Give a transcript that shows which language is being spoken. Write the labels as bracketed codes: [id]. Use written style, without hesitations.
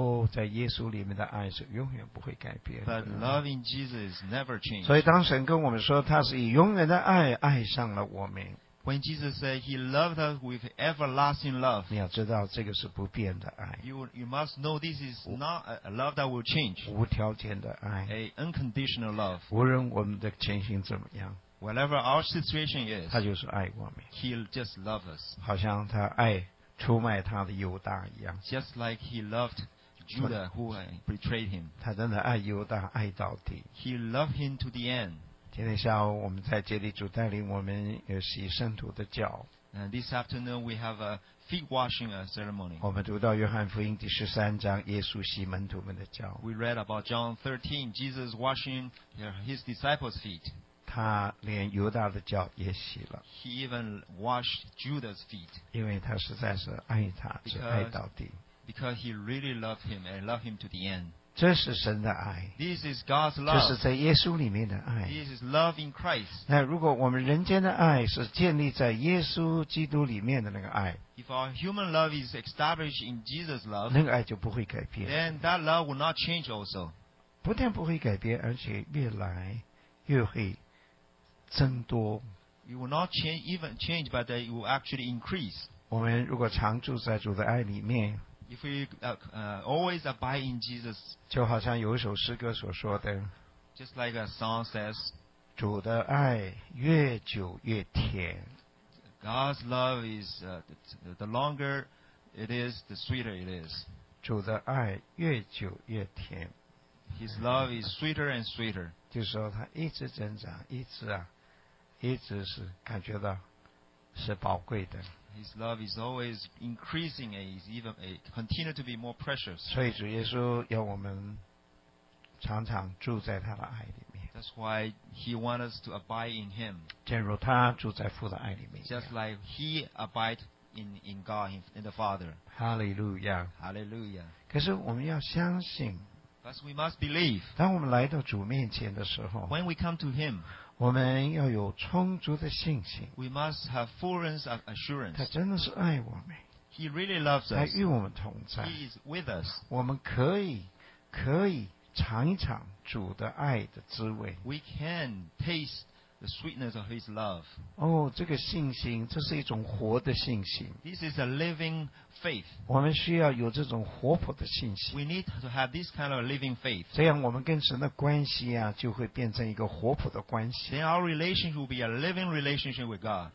[zh] 在耶稣里面的爱是永远不会改变的 [en] But love in Jesus never changed. [zh] 所以当神跟我们说他是以永远的爱爱上了我们 [en] When Jesus said He loved us with everlasting love, [zh] 你要知道这个是不变的爱。 [en] You must know this is not a love that will change. [zh] 无条件的爱。 [en] A unconditional love. [zh] 无论我们的情形怎么样。 [en] Whatever our situation is, [zh] 他就是爱我们。 [en] He just loves us. [zh] 好像他爱出卖他的犹大一样。 [en] Just like He loved Judah who betrayed Him. [zh] 他真的爱犹大爱到底。 [en] He loved him to the end. [zh] 今天下午我们在竭力主带领我们洗圣徒的脚。 [en] This afternoon we have a feet washing ceremony. [zh] 我们读到约翰福音第十三章，耶稣洗门徒们的脚。 [en] We read about John 13, Jesus washing his disciples' feet. [zh] 他连犹大的脚也洗了。 [en] He even washed Judah's feet. [zh] 因为他实在是爱他，只爱到底。 [en] Because he really loved him and loved him to the end. [zh] 这是神的爱 [en] This is God's love. [zh] 这是在耶稣里面的爱 [en] This is love in Christ. [zh] 那如果我们人间的爱是建立在耶稣基督里面的那个爱 [en] If our human love is established in Jesus' love, [zh] 那个爱就不会改变 [en] Then that love will not change also. [zh] 不但不会改变而且越来越会增多 [en] It will not change, even change, but it will actually increase. [zh] 我们如果常住在主的爱里面 [en] If we always abide in Jesus, [zh] 就好像有一首诗歌所说的 [en] just like a song says, [zh] 主的爱越久越甜 [en] God's love is, the longer it is, the sweeter it is. [zh] 主的爱越久越甜 [en] His love is sweeter and sweeter. [zh] 就是说他一直增长，一直啊，一直是感觉到是宝贵的。 [en] His love is always increasing and is even continue to be more precious. [zh] 所以主耶稣要我们常常住在他的爱里面。 [en] That's why He wants us to abide in Him. [zh] 正如他住在父的爱里面。 [en] Just like He abides in God in the Father. Hallelujah. Hallelujah. [zh] 可是我们要相信。 [en] But we must believe. [zh] 当我们来到主面前的时候。 [en] When we come to Him. [zh] 我们要有充足的信心。 [en] We must have full assurance. [zh] 他真的是爱我们。 [en] He really loves us. [zh] 他与我们同在。 [en] He is with us. [zh] 我们可以尝一尝主的爱的滋味。 [en] We can taste the sweetness of His love. [zh] 哦，这个信心，这是一种活的信心。 [en] This is a living faith. [zh] 我们需要有这种活泼的信心。 [en] We need to have this kind of living faith. [zh] 这样我们跟神的关系啊，就会变成一个活泼的关系。 [en] Then our relationship will be a living relationship with God.